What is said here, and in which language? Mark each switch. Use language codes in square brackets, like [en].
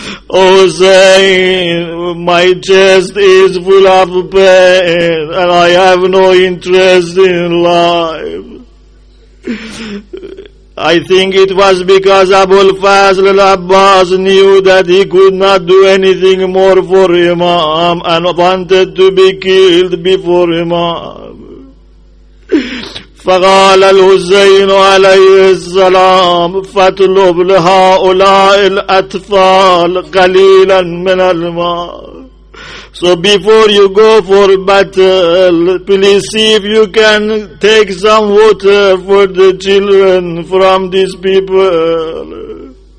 [en] Oh Hussein, my chest is full of pain and I have no interest in life. I think it was because Abu al-Fazl al-Abbas knew that he could not do anything more for Imam and wanted to be killed before Imam. [ar] فقال الحسين عليه السلام فاطلب لهؤلاء الأطفال قليلا من الماء. [en] So before you go for battle, please see if you can take some water for the children from these people.